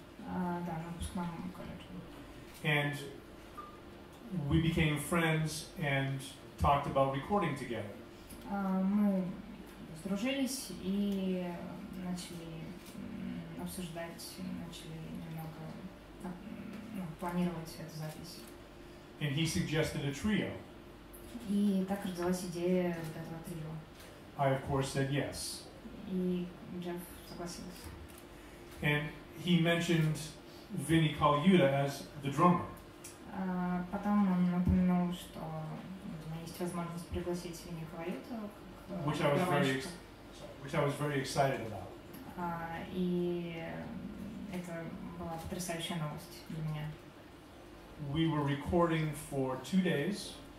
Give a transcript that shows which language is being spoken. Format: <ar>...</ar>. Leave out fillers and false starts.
<ru>Да, на выпускном колледже.</ru> <en>And we became friends and talked about recording together.</en> <ru>Мы сдружились и начали обсуждать, начали немного планировать эту запись.</ru> <en>And he suggested a trio.</en> <ru>И так родилась идея вот этого трио.</ru> <en>I of course said yes.</en> <ru>И Джефф согласился.</ru> <en>And he mentioned Vinny Colaiuta as the drummer.</en> <ru>Потом он упомянул, что у меня есть возможность пригласить Винни Колаиуту как</ru> <en>Which I was very excited about.</en> <ru>И это была потрясающая новость для меня.</ru> <en>We were recording for 2 days.</en>